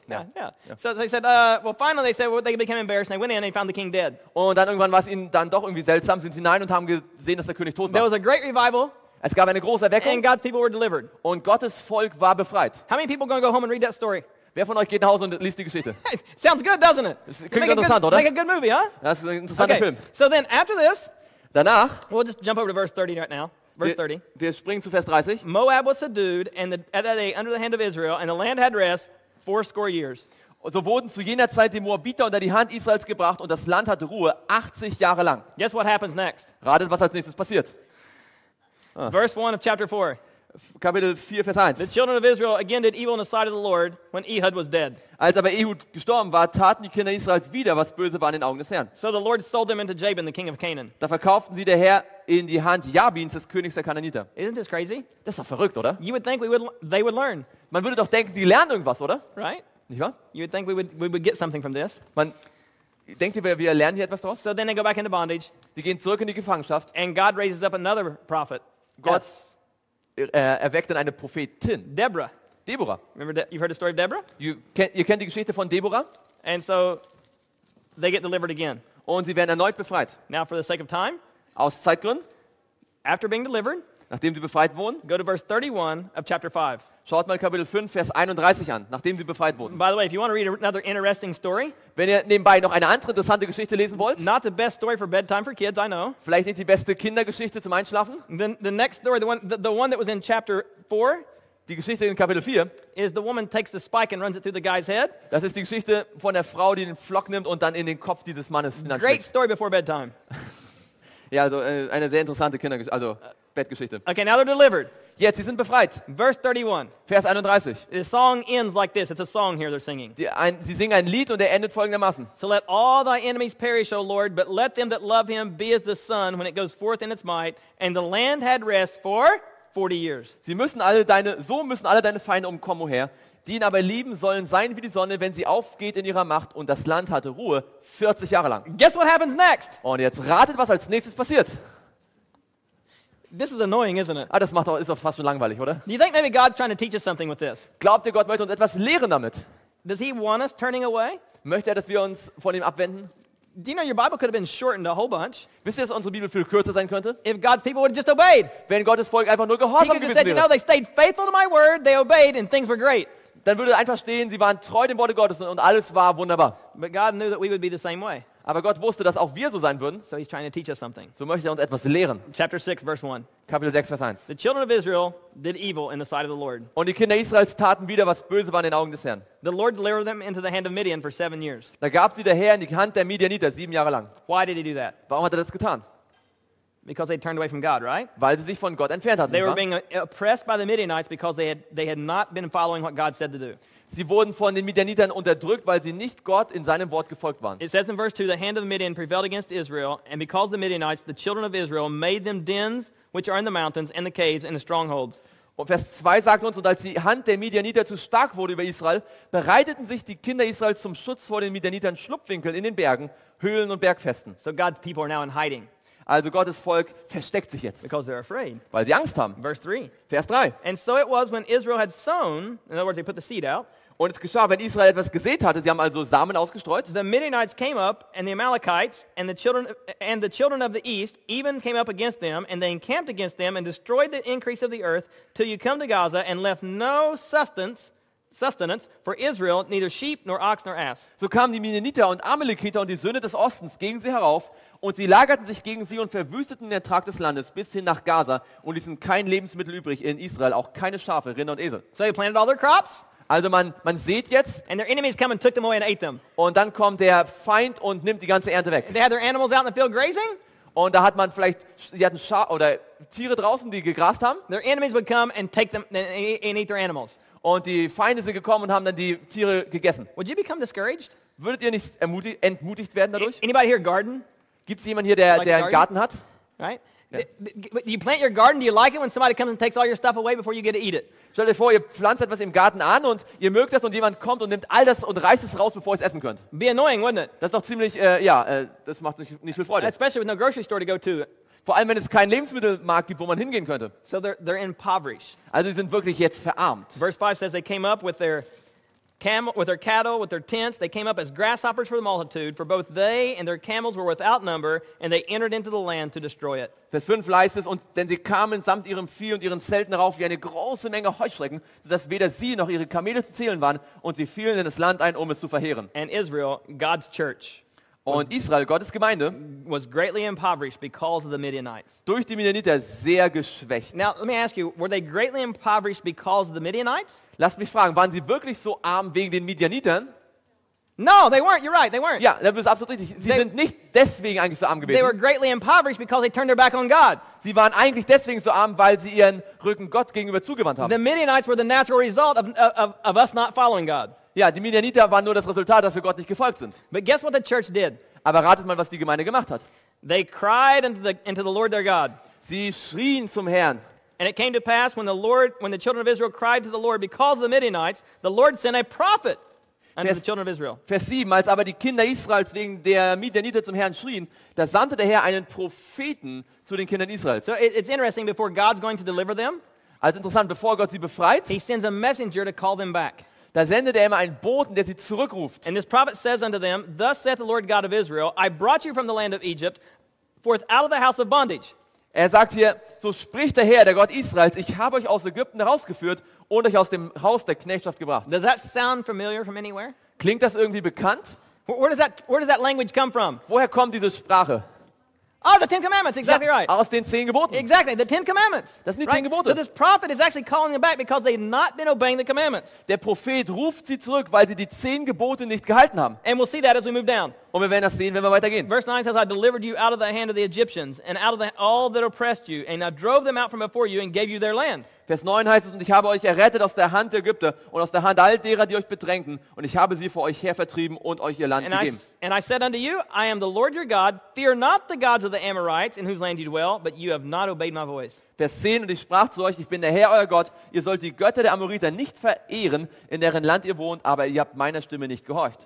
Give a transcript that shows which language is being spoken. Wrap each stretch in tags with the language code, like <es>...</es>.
<en>Yeah. So they said, well, finally they said, well, they became embarrassed. And they went in and found the king dead.</en> <de>Und dann irgendwann war es ihnen dann doch irgendwie seltsam. Sind sie hinein und haben gesehen, dass der König tot war.</de> <en>There was a great revival.</en> <de>Es gab eine große Erweckung.</de> <en>And God's people were delivered.</en> <de>Und Gottes Volk war befreit.</de> <en>How many people gonna go home and read that story?</en> <de>Wer von euch geht nach Hause und liest die Geschichte?</de> <en>Sounds good, doesn't it?</en> <de>Klingt interessant, oder?</de> <en>Like a good movie, huh?</en> <de>Das ist ein interessanter Film.</de> <en>So then after this,</en> <de>danach,</de> <en>we'll just jump over to verse 30 right now. Verse 30.</en> <de>Wir springen zu Vers 30.</de> <en>Moab was subdued at that day under the hand of Israel, and the land had rest 80 years.</en> <de>So wurden zu jener Zeit die Moabiter unter die Hand Israels gebracht und das Land hatte Ruhe 80 Jahre lang.</de> <en>Guess what happens next?</en> <de>Ratet, was als nächstes passiert?</de> <en>Verse 1 of chapter 4.</en> <de>Kapitel 4, Vers 1.</de> <en>The children of Israel again did evil in the sight of the Lord when Ehud was dead.</en> <de>Als aber Ehud gestorben war, taten die Kinder Israels wieder, was böse war in den Augen des Herrn.</de> <en>So the Lord sold them into Jabin, the king of Canaan.</en> <de>Da verkauften sie der Herr in die Hand Jabins, des Königs der Kananiter.</de> <en>Isn't this crazy?</en> <de>Das ist doch verrückt, oder?</de> <en>You would think they would learn.</en> <de>Man würde doch denken, sie lernen irgendwas, oder?</de> <en>Right?</en> <de>Nicht wahr?</de> <en>You would think we would get something from this.</en> <de>Man denkt, wir lernen hier etwas draus.</de> <en>So then they go back into bondage.</en> <de>Die gehen zurück in die Gefangenschaft.</de> <en>And God raises up another prophet.</en> <de>Gott erweckt dann eine Prophetin.</de> <en>Deborah. Remember that? You've heard the story of Deborah?</en> <de>Ihr kennt die Geschichte von Deborah?</de> <en>And so they get delivered again.</en> <de>Und sie werden erneut befreit.</de> <en>Now for the sake of time.</en> <de>Aus Zeitgründen.</de> <en>After being delivered.</en> <de>Nachdem sie befreit wurden.</de> <en>Go to verse 31 of chapter 5.</en> <de>Schaut mal Kapitel 5, Vers 31 an, nachdem sie befreit wurden.</de> <en>By the way, if you want to read another interesting story,</en> <de>wenn ihr nebenbei noch eine andere interessante Geschichte lesen wollt,</de> <en>not the best story for bedtime for kids, I know.</en> <de>Vielleicht nicht die beste Kindergeschichte zum Einschlafen.</de> <en>The next story, the one that was in chapter 4,</en> <de>die Geschichte in Kapitel 4,</de> <en>is the woman takes the spike and runs it through the guy's head.</en> <de>Das ist die Geschichte von der Frau, die den Pflock nimmt und dann in den Kopf dieses Mannes hineinsteckt.</de> <en>Great story before bedtime.</en> <de>Ja, also eine sehr interessante Kindergeschichte, also Bettgeschichte.</de> <en>Okay, now they're delivered.</en> <de>Jetzt, sie sind befreit.</de> <en>Verse 31.</en> <de>Vers 31.</de> <en>The song ends like this. It's a song here they're singing.</en> <de>Sie singen ein Lied und er endet folgendermaßen.</de> <en>So let all thy enemies perish, O Lord, but let them that love him be as the sun when it goes forth in its might. And the land had rest for 40 years.</en> <de>So müssen alle deine Feinde umkommen, O Herr. Die ihn aber lieben sollen sein wie die Sonne, wenn sie aufgeht in ihrer Macht. Und das Land hatte Ruhe 40 Jahre lang.</de> <en>Guess what happens next?</en> <de>Und jetzt ratet, was als nächstes passiert.</de> <en>This is annoying, isn't it?</en> <de>Ah, das macht ist doch fast schon langweilig, oder?</de> <en>Do you think maybe God's trying to teach us something with this?</en> <de>Glaubt ihr, Gott möchte uns etwas lehren damit?</de> <en>Does he want us turning away?</en> <de>Möchte er, dass wir uns von ihm abwenden?</de> <en>Do you know your Bible could have been shortened a whole bunch?</en> <de>Wisst ihr, dass unsere Bibel viel kürzer sein könnte?</de> <en>If God's people would have just obeyed.</en> <de>Wenn Gottes Volk einfach nur gehorsam gewesen wäre.</de> <en>He could have said, you know, they stayed faithful to my word, they obeyed, and things were great.</en> <de>Dann würde einfach stehen, sie waren treu dem Wort Gottes und alles war wunderbar.</de> <en>But God knew that we would be the same way.</en> <de>Aber Gott wusste, dass auch wir so sein würden.</de> <en>So he's trying to teach us something.</en> <de>So möchte er uns etwas lehren.</de> <en>Chapter 6, verse 1.</en> <de>Kapitel 6, Vers 1.</de> <en>The children of Israel did evil in the sight of the Lord.</en> <de>Und die Kinder Israels taten wieder, was böse war in den Augen des Herrn.</de> <en>The Lord delivered them into the hand of Midian for 7 years.</en> <de>Da gab sie der Herr in die Hand der Midianiter 7 Jahre lang.</de> <en>Why did he do that?</en> <de>Warum hat er das getan?</de> <en>Because they turned away from God, right?</en> <de>Weil sie sich von Gott entfernt hatten.</de> <en>They were being oppressed by the Midianites because they had not been following what God said to do.</en> <de>Sie wurden von den Midianitern unterdrückt, weil sie nicht Gott in seinem Wort gefolgt waren.</de> <en>It says in verse 2, the hand of Midian prevailed against Israel, and because the Midianites, the children of Israel, made them dens which are in the mountains and the caves and the strongholds.</en> <de>Und Vers 2 sagt uns, und als die Hand der Midianiter zu stark wurde über Israel, bereiteten sich die Kinder Israels zum Schutz vor den Midianitern Schlupfwinkel in den Bergen, Höhlen und Bergfesten.</de> <en>So God's people are now in hiding.</en> <de>Also Gottes Volk versteckt sich jetzt.</de> <en>Because they're afraid.</en> <de>Weil sie Angst haben.</de> <en>Verse 3.</en> <de>Vers 3.</de> <en>And so it was when Israel had sown, in other words, they put the seed out.</en> <de>Und es geschah, wenn Israel etwas gesät hatte, sie haben also Samen ausgestreut.</de> <en>The Midianites came up, and the Amalekites, and the children of the east, even came up against them, and they encamped against them, and destroyed the increase of the earth, till you come to Gaza, and left no sustenance, sustenance, for Israel neither sheep nor ox nor ass.</en> <de>So kamen die Midianiter und Amalekiter und die Söhne des Ostens gegen sie herauf, und sie lagerten sich gegen sie und verwüsteten den Ertrag des Landes bis hin nach Gaza und ließen kein Lebensmittel übrig in Israel, auch keine Schafe, Rinder und Esel.</de> <en>So they planted all their crops.</en> <de>Also man sieht jetzt,</de> <en>and their enemies come and took them away and ate them.</en> <de>Und dann kommt der Feind und nimmt die ganze Ernte weg.</de> <en>They had their animals out in the field grazing.</en> <de>Und da hat man vielleicht, sie hatten Schafe oder Tiere draußen, die gegrast haben.</de> <en>Their enemies would come and take them and eat their animals.</en> <de>Und die Feinde sind gekommen und haben dann die Tiere gegessen.</de> <en>Would you become discouraged?</en> <de>Würdet ihr nicht entmutigt werden dadurch?</de> <en>Anybody here garden?</en> <de>Gibt es jemanden hier, der einen Garten hat?</de> <en>Right? Yeah. You plant your garden, do you like it when somebody comes and takes all your stuff away before you get to eat it?</en> <de>Stellt euch vor, ihr pflanzt etwas im Garten an und ihr mögt das und jemand kommt und nimmt all das und reißt es raus, bevor ihr es essen könnt.</de> <en>Be annoying, wouldn't it?</en> <de>Das ist doch ziemlich, das macht nicht viel Freude.</de> <en>Especially with no grocery store to go to.</en> <de>Vor allem, wenn es keinen Lebensmittelmarkt gibt, wo man hingehen könnte.</de> <en>So they're impoverished.</en> <de>Also sie sind wirklich jetzt verarmt.</de> <en>Verse 5 says they came up with their camel, with their cattle, with their tents. They came up as grasshoppers for the multitude, for both they and their camels were without number, and they entered into the land to destroy it.</en> <de>Vers 5 heißt es, und denn sie kamen samt ihrem Vieh und ihren Zelten rauf wie eine große Menge Heuschrecken, sodass weder sie noch ihre Kamele zu zählen waren, und sie fielen in das Land ein, um es zu verheeren.</de> <en>And Israel, God's church,</en> <de>und Israel, Gottes Gemeinde,</de> <en>was greatly impoverished because of the Midianites.</en> <de>Durch die Midianiter sehr geschwächt.</de> <en>Now let me ask you, were they greatly impoverished because of the Midianites?</en> <de>Lass mich fragen, waren sie wirklich so arm wegen den Midianitern?</de> <en>No, they weren't. You're right, they weren't.</en> <de>Ja, das ist absolut richtig. Sie sind nicht deswegen eigentlich so arm gewesen.</de> <en>They were greatly impoverished because they turned their back on God.</en> <de>Sie waren eigentlich deswegen so arm, weil sie ihren Rücken Gott gegenüber zugewandt haben.</de> <en>The Midianites were the natural result of us not following God.</en> <de>Ja, die Midianiter waren nur das Resultat, dass wir Gott nicht gefolgt sind.</de> <en>But guess what the church did?</en> <de>Aber ratet mal, was die Gemeinde gemacht hat.</de> <en>They cried unto the Lord their God.</en> <de>Sie schrien zum Herrn.</de> <en>And it came to pass when the children of Israel cried to the Lord because of the Midianites, the Lord sent a prophet unto the children of Israel.</en> <de>Vers 7, als aber die Kinder Israels wegen der Midianiter zum Herrn schrien, da sandte der Herr einen Propheten zu den Kindern Israels.</de> <en>So it's interesting, before God's going to deliver them,</en> <de>also interessant, bevor Gott sie befreit,</de> <en>he sends a messenger to call them back.</en> <de>Da sendet er immer einen Boten, der sie zurückruft.</de> <en>And this prophet says unto them, thus saith the Lord God of Israel, I brought you from the land of Egypt, forth out of the house of bondage.</en> <de>Er sagt hier, so spricht der Herr, der Gott Israels, ich habe euch aus Ägypten herausgeführt und euch aus dem Haus der Knechtschaft gebracht.</de> <en>Does that sound familiar from anywhere?</en> <de>Klingt das irgendwie bekannt?</de> <en>Where does that language come from?</en> <de>Woher kommt diese Sprache?</de> <en>Oh, the Ten Commandments, exactly,</en> <de>ja,</de> <en>right.</en> <de>Aus den Zehn Geboten.</de> <en>Exactly, the Ten Commandments.</en> <de>Das sind die,</de> <en>right?</en> <de>Zehn Gebote.</de> <en>So this prophet is actually calling them back because they've not been obeying the commandments.</en> <de>Der Prophet ruft sie zurück, weil sie die Zehn Gebote nicht gehalten haben.</de> <en>And we'll see that as we move down.</en> <de>Und wir werden das sehen, wenn wir weitergehen.</de> <en>Verse 9 says, I delivered you out of the hand of the Egyptians and out of all that oppressed you, and I drove them out from before you and gave you their land.</en> <de>Vers 9 heißt es, und ich habe euch errettet aus der Hand der Ägypter und aus der Hand all derer, die euch bedrängten, und ich habe sie vor euch hervertrieben und euch ihr Land gegeben.</de> <en>And I said unto you, I am the Lord your God, fear not the gods of the Amorites, in whose land you dwell, but you have not obeyed my voice.</en> <de>Vers 10, und ich sprach zu euch, ich bin der Herr, euer Gott, ihr sollt die Götter der Amoriter nicht verehren, in deren Land ihr wohnt, aber ihr habt meiner Stimme nicht gehorcht.</de>